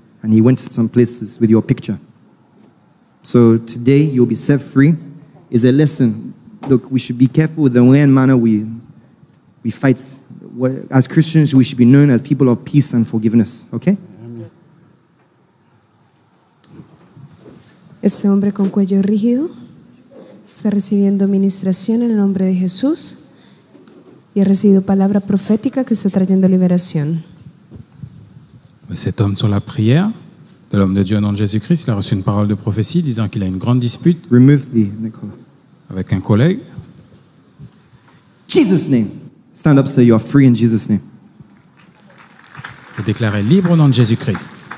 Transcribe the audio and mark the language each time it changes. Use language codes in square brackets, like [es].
[en] And he went to some places with your picture. So today, you'll be set free. Is a lesson. Look, we should be careful with the way and manner we fight. As Christians, we should be known as people of peace and forgiveness. Okay? [es] Este hombre con cuello rígido está recibiendo ministración en el nombre de Jesús y ha recibido palabra profética que está trayendo liberación. [fr] Cet homme sur la prière de l'homme de Dieu en nom de Jésus-Christ, il a reçu une parole de prophétie disant qu'il a une grande dispute. [en] Remove the Nicola. [fr] Avec un collègue. [en] Jesus' name. Stand up, sir. You are free in Jesus' name. [fr] Et déclaré libre au nom de Jésus-Christ.